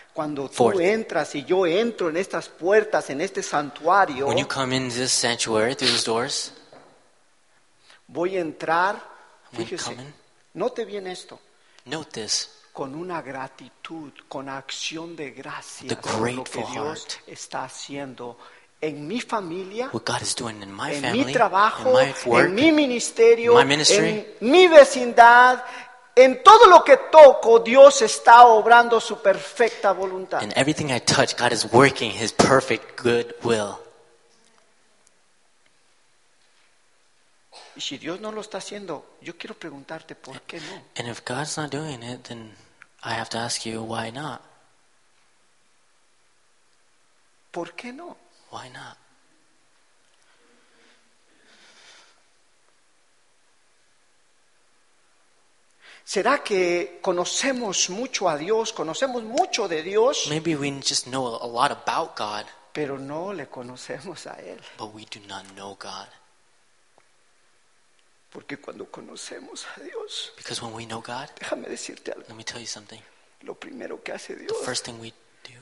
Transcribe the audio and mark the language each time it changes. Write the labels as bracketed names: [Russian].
[Spanish] Cuando tú entras y yo entro en estas puertas, en este santuario, [English] when you come in this sanctuary, through these doors, [Spanish] voy a entrar, fíjese, note bien esto, [English] note this, [Spanish] con una gratitud, con acción de gracias, [English] the grateful [Spanish] lo que Dios [English] heart [Spanish] está haciendo en mi familia, [English] what God is doing in my [Spanish] en [English] family, [Spanish] mi trabajo, [English] in my work, [Spanish] en mi ministerio, [English] in my ministry, [Spanish] en mi vecindad, en todo lo que toco, Dios está obrando su perfecta voluntad. [English] In everything I touch, God is working His perfect good will. [Spanish] Y si Dios no lo está haciendo, yo quiero preguntarte por qué no. [English] And if God's not doing it, then I have to ask you, why not? [Spanish] ¿Por qué no? [English] Why not? [Spanish] ¿Será que conocemos mucho a Dios, conocemos mucho de Dios? [English] Maybe we just know a lot about God. [Spanish] Pero no le conocemos a Él. [English] But we do not know God. [Spanish] Porque cuando conocemos a Dios, [English] because when we know God, [Spanish] déjame decirte algo. [English] Let me tell you something. [Spanish] Lo primero que hace Dios, [English] the first thing we do,